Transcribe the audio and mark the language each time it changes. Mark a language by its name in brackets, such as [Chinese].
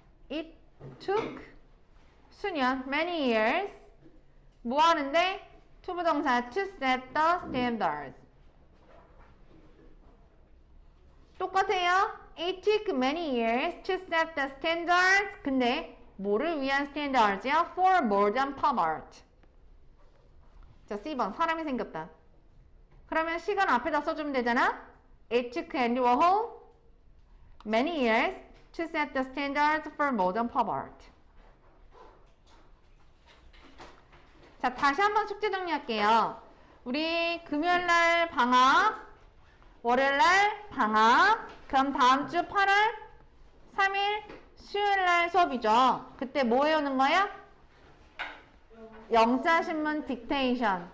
[English] It took [Korean] 수년, [English] many years. [Korean] 뭐 하는데? [English] To 부정사, to set the standards. [Korean] 똑같아요. [English] It took many years to set the standards. [Korean] 근데 뭐를 위한 standards야? [English] For modern pop art. [Korean] 자, C번 사람이 생겼다. 그러면 시간 앞에다 써주면 되잖아. [English] It took Andy Warhol many years to set the standards for modern pop art. [Korean] 자, 다시 한번 숙제 정리할게요. 우리 금요일날 방학, 월요일날 방학, 그럼 다음 주 8월 3일 수요일날 수업이죠. 그때 뭐 해오는 거야? 영자신문 딕테이션.